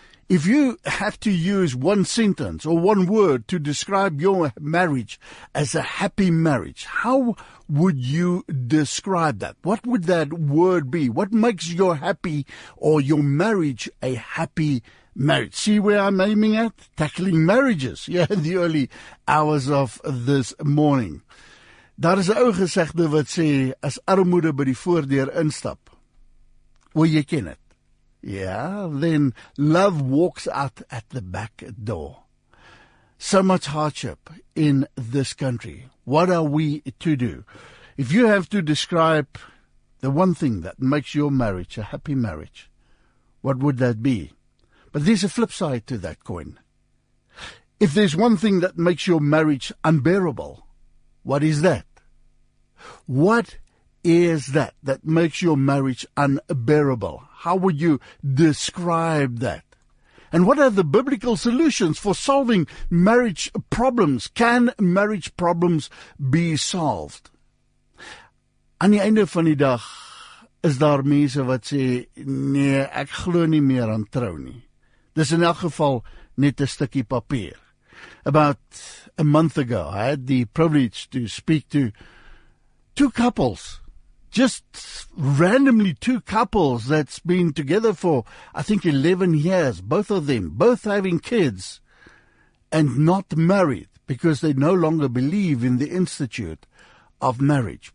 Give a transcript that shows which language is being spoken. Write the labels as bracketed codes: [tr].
[en] If you have to use one sentence or one word to describe your marriage as a happy marriage, how would you describe that? What would that word be? What makes your happy or your marriage a happy marriage? See where I'm aiming at? Tackling marriages. Yeah, in the early hours of this morning. [af] Daar is 'n ou gesegde wat sê, as armoede by die voordeur instap, hoe jy ken het. [en] Yeah, then love walks out at the back door. So much hardship in this country. What are we to do? If you have to describe the one thing that makes your marriage a happy marriage, what would that be? But there's a flip side to that coin. If there's one thing that makes your marriage unbearable, what is that? What is that that makes your marriage unbearable? How would you describe that? And what are the biblical solutions for solving marriage problems? Can marriage problems be solved? [af] Aan die einde van die dag is daar mense wat sê, nee, ek glo nie meer aan trou nie. Dis in elk geval net 'n stukkie papier. [en] About a month ago, I had the privilege to speak to two couples. Just randomly two couples that's been together for, I think, 11 years. Both of them, both having kids and not married because they no longer believe in the institute of marriage.